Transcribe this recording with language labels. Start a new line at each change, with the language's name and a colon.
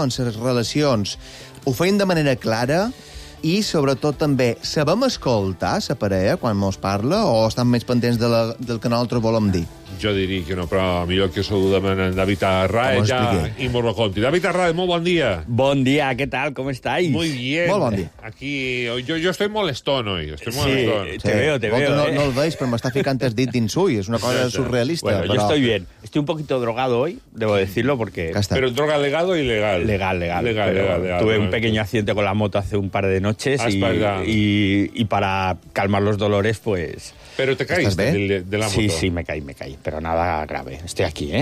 Catalan: En ses relacions. Ho feim de manera clara i, sobretot, també, sabem escoltar sa parella quan mos parla o estan més pendents de del que nosaltres volem dir? Jo diria que no, però millor que saludem en David Arraez ja i mos lo conti. David Arraez, molt bon dia. Bon dia, què tal, com estàs?
Spanish: Muy bien.
Catalan: Molt bon dia.
Spanish: Aquí, jo estoy molestón hoy. Estoy sí, molestón. te veo.
Catalan: No el veis, però m'està ficant el dit dins ull. És una cosa surrealista.
Spanish: Bueno,
Catalan: però...
Spanish: yo estoy bien. Estoy un poquito drogado hoy, debo decirlo, porque... Pero droga legal o ilegal. Legal. Tuve un pequeño accidente con la moto hace un par de noches y para calmar los dolores, pues... Pero te caíste de la moto. Sí, sí, me caí. Pero nada grave. Estoy aquí, ¿eh?